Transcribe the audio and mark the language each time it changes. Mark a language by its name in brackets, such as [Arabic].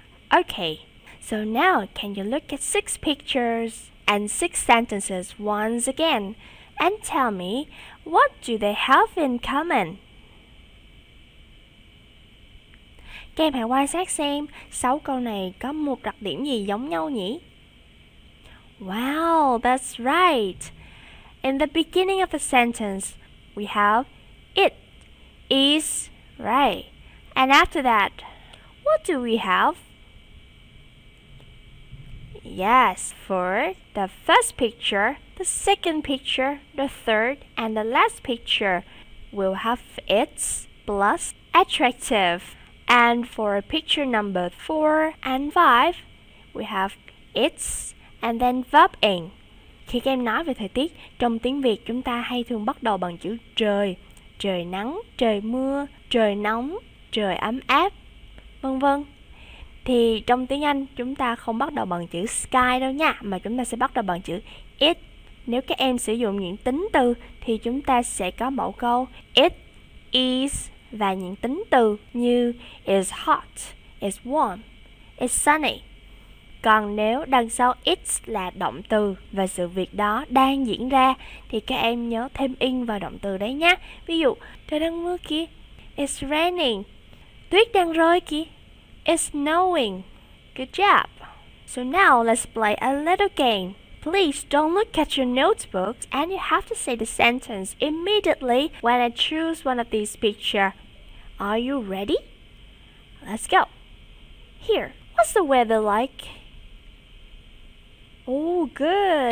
[English] Okay, so now can you look at six pictures and six sentences once again and tell me what do they have in common? [Vietnamese] Các em hãy quan sát xem sáu câu này có một đặc điểm gì giống nhau nhỉ? [English] Wow, that's right. In the beginning of the sentence, we have it is, right? And after that, what do we have? Yes, for the first picture, the second picture, the third, and the last picture, we'll have it's plus attractive. And for picture number 4 and 5, we have it's and then verb ing. [Vietnamese] Khi các em nói về thời tiết, trong tiếng Việt chúng ta hay thường bắt đầu bằng chữ trời. Trời nắng, trời mưa, trời nóng, trời ấm áp, vân vân. Thì trong tiếng Anh chúng ta không bắt đầu bằng chữ sky đâu nha, mà chúng ta sẽ bắt đầu bằng chữ it. Nếu các em sử dụng những tính từ thì chúng ta sẽ có mẫu câu it is và những tính từ như [English] it's hot, it's warm, it's sunny. [Vietnamese] Còn nếu đằng sau it's là động từ và sự việc đó đang diễn ra thì các em nhớ thêm ing vào động từ đấy nhé. Ví dụ, trời đang mưa kìa, [English] it's raining. [Vietnamese] Tuyết đang rơi kìa, [English] it's snowing. Good job. So now let's play a little game. Please don't look at your notebooks and you have to say the sentence immediately when I choose one of these pictures. Are you ready? Let's go. Here. What's the weather like? Oh, good.